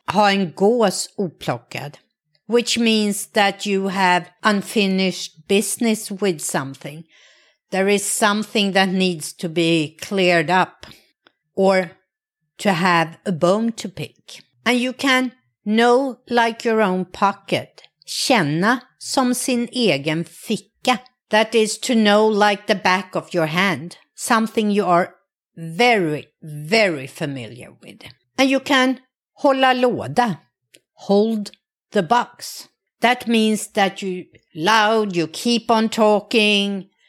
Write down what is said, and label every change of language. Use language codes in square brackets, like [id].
[sv] Ha en gås oplockad. [en] Which means that you have unfinished business with something. There is something that needs to be cleared up. Or to have a bone to pick. And you can know like your own pocket. [sv] Känna som sin egen ficka. [en] That is to know like the back of your hand. Something you are very, very familiar with. And you can [sv] hålla låda. [en] Hold the box. That means that you loud, you keep on talking.